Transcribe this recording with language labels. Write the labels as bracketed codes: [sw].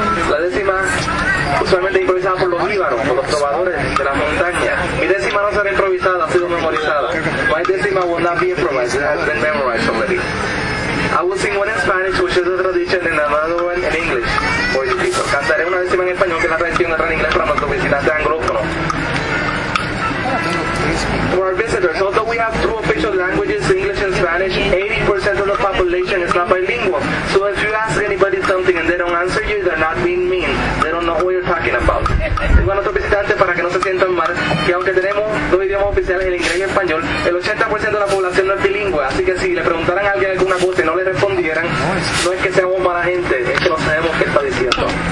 [es] La décima, usualmente improvisada por los Íbaros, por los trovadores de las montañas. Mi décima no será improvisada, ha sido memorizada. [en] My décima will not be improvised. It has been memorized already. I will sing one in Spanish, which is a tradition, and another one in English. [es] Por escrito, cantaré una décima en español, que es la tradición, otra en inglés para nuestros visitantes anglófonos. [en] For our visitors, although we have two official languages, English and Spanish, 80% of the population is not bilingual. So if you ask anybody something and they don't answer you, they're not being mean. They don't know what you're talking about. [es] Digo a nuestros visitantes para que no se sientan mal, que aunque tenemos dos idiomas oficiales, el inglés y el español, el 80% de la población no es bilingüe. Así que si le preguntaran a alguien alguna cosa y no le respondieran, no es que seamos mala gente, es que no sabemos qué está diciendo.